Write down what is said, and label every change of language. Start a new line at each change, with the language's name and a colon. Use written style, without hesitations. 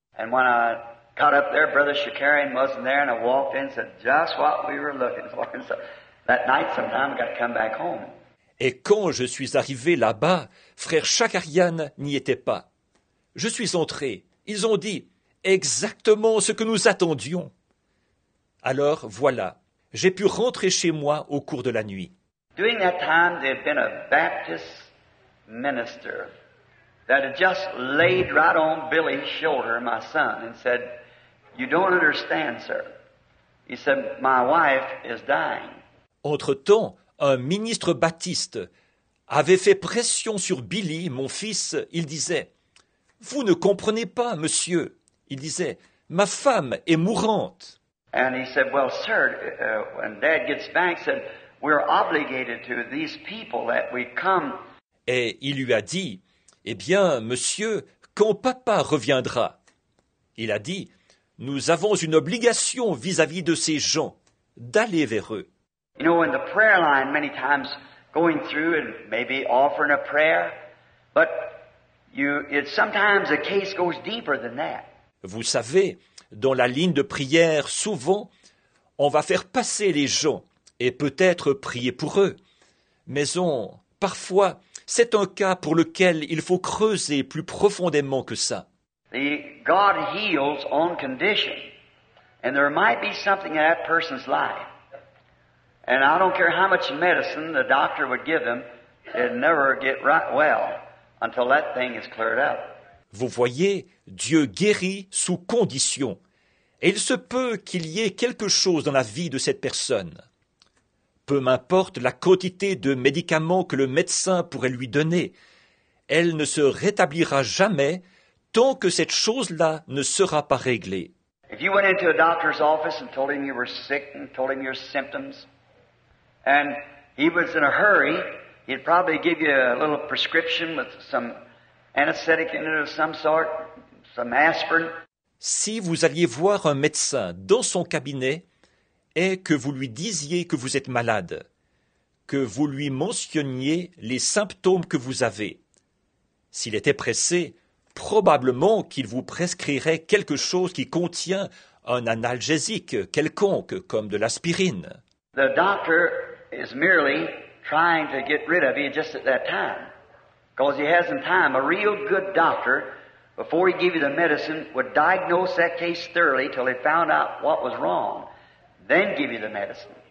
English: And when I got up there, Brother Shakarian wasn't there and I walked in and said, just what we were looking for. And so that night sometime I got to come back home.
French: Et quand je suis arrivé là-bas, Frère Shakarian n'y était pas. Je suis entré. Ils ont dit exactement ce que nous attendions. Alors voilà, j'ai pu rentrer chez moi au cours de la nuit.
English: During that time, there had been a Baptist minister that had just laid right on Billy's shoulder, my son, and said, you don't understand, sir. He said, my wife is dying.
French: Entre-temps, un ministre baptiste avait fait pression sur Billy, mon fils. Il disait, « Vous ne comprenez pas, monsieur. » Il disait, « Ma femme est mourante. »
English: And he said, well, sir, when Dad gets back, said, we're obligated to these people that we come.
French: Et il lui a dit, « Eh bien, monsieur, quand papa reviendra. » Il a dit, « Nous avons une obligation vis-à-vis de ces gens, d'aller vers eux. »
English: You know, in the prayer line, many times going through and maybe offering a prayer, but it's sometimes the case goes deeper than that.
French: Vous savez, dans la ligne de prière, souvent, on va faire passer les gens et peut-être prier pour eux. Mais parfois, c'est un cas pour lequel il faut creuser plus profondément que ça.
English: The God heals on condition, and there might be something in that person's life. And I don't care how much medicine the doctor would give them, it'd never get right well until that thing is cleared up.
French: Vous voyez, Dieu guérit sous condition. Et il se peut qu'il y ait quelque chose dans la vie de cette personne. Peu m'importe la quantité de médicaments que le médecin pourrait lui donner, elle ne se rétablira jamais tant que cette chose-là ne sera pas réglée.
English: If you went into a doctor's office and told him you were sick and told him your symptoms, and he was in a hurry, he'd probably give you a little prescription with some anesthetic in it of some sort, some aspirin.
French: Si vous alliez voir un médecin dans son cabinet et que vous lui disiez que vous êtes malade, que vous lui mentionniez les symptômes que vous avez, s'il était pressé, probablement qu'il vous prescrirait quelque chose qui contient un analgésique quelconque, comme de l'aspirine.
English: The doctor is merely trying to get rid of you just at that time, because he hasn't time. A real good doctor, before he gave you the medicine, would diagnose that case thoroughly till he found out what was wrong, then give you the medicine.